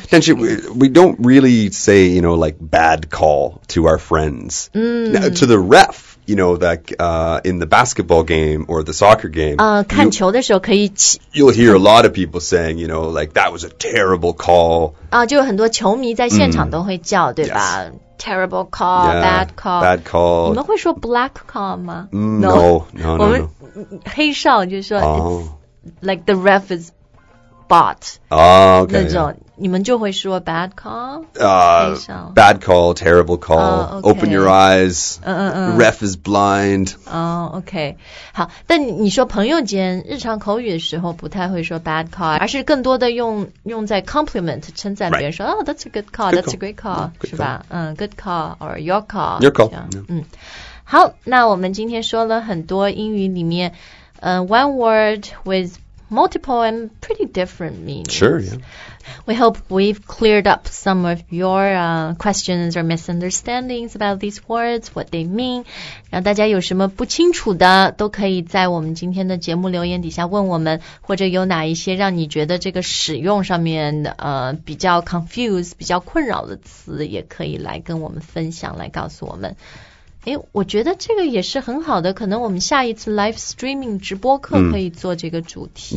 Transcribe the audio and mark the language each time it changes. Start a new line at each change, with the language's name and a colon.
Chinese: 但是
English: we don't really say, you know, like bad call to our friends,、to the ref. You know, that、in the basketball game or the soccer game,、
Chinese: 看球的时候可以
English: you'll hear a lot of people saying, you know, like, that was a terrible call.、
Chinese: 就有很多球迷在现场都会叫、对吧、
English: yes. Terrible call, yeah, bad call. Bad call.
Chinese: 你们会说
English: black call
Chinese: 吗、
English: No.
Chinese: 我们黑哨就是说、
English: like the ref is bought. Okay.
Chinese: 那种、你们就会说
English: bad call?、 bad call, terrible call,、 okay. open your eyes,、ref is blind.
Chinese: Okay. 好但你说朋友间日常口语的时候不太会说
English: bad call,
Chinese: 而是更多的 用在 compliment, 称赞别人说、
English: right. oh, that's a good call, good that's a great call, call.
Chinese: 是吧、
English: good call, or your call. Your call.、
Chinese: 好那我们今天说了很多英语里面、
English: one word withMultiple and pretty different meanings. Sure, yeah. We hope we've cleared up some of your、questions or misunderstandings about these words, what they mean.
Chinese: 让大家有什么不清楚的都可以在我们今天的节目留言底下问我们或者有哪一些让你觉得这个使用上面、比较 confused, 比较困扰的词也可以来跟我们分享来告诉我们。诶我觉得这个也是很好的可能我们下一次 live streaming 直播课可以做这个主题、